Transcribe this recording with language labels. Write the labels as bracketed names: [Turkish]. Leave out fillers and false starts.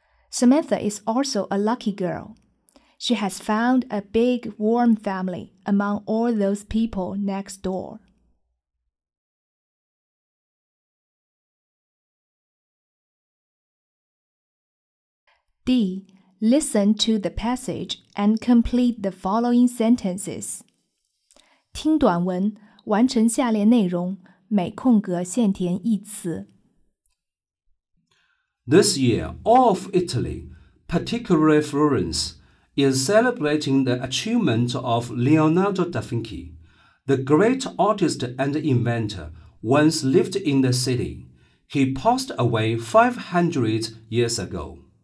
[English] Samantha is also a lucky girl. She has found a big, warm family among all those people next door. D. Listen to the passage and complete the following sentences. [Chinese] 听短文，完成下列内容，每空格限填一词。 [English] This year, all of Italy, particularly Florence, is celebrating the achievement of Leonardo da Vinci, the great artist and inventor once lived in the city. He passed away 500 years ago.